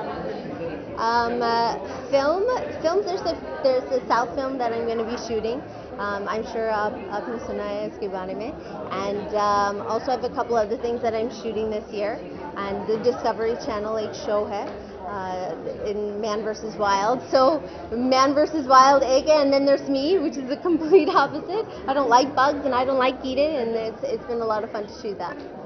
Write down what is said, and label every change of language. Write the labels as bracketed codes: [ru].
[en] Films, there's a South film that I'm going to be shooting. I'm sure [hi] आप ने सुना है इसके बारे में। [en] And also I have a couple other things that I'm shooting this year. And the Discovery Channel 8 show है। In Man vs. Wild. So Man vs. Wild, Ega, and then there's me, which is the complete opposite. I don't like bugs and I don't like eating, and it's been a lot of fun to shoot that.